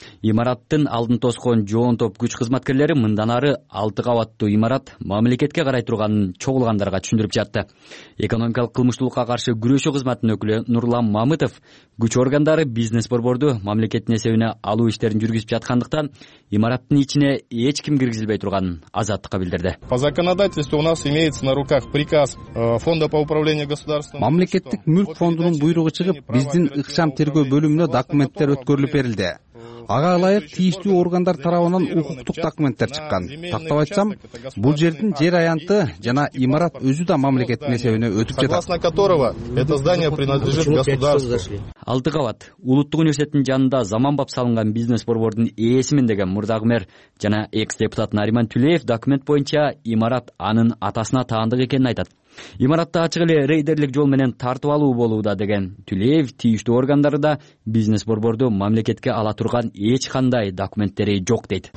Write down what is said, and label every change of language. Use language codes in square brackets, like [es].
[ky] Имараттын алдын тоскон жоон топ күч кызматкерлери мындан ары 6 кабаттуу имарат мамлекетке карай турганын чогулгандарга түшүндүрүп жатты. Экономикалык кылмыштуулукка каршы күрөшүү кызматынын өкүлү Нурлан Мамытов күч органдары бизнес борборду мамлекеттин эсебине алуу иштерин жүргүзүп жаткандыктан имараттын ичине эч ким киргизилбей турганын Азаттыкка билдирди. [ru] По законодательству у нас имеется на руках приказ фонда по управлению государством. [ky] Мамлекеттик мүлк фондунун буйругу чыгып, биздин ыкчам тергөө бөлүмүнө документтер өткөрүлүп берилди. Ага ылайык тийиштүү органдар тарабынан укуктук документтер чыккан. Тактап айтсам, бул жердин жер аянты жана имарат өзү да мамлекеттин эсебине өтүп жатат. [ru] Согласно которого это здание принадлежит государству. [ky] Алты кабат улуттук университеттин жанында заманбап салынган бизнес борбордун ээси деген Мурдагы мэр жана экс-депутат Нариман Түлеев документ боюнча имарат анын атасына таандык экенин айтат. Имаратты ачык эле рейдерлик жол менен тартып алуу болууда деген Түлеев тийиштүү органдары да бизнес борборду мамлекетке ала турган эч кандай документтери жок дейт.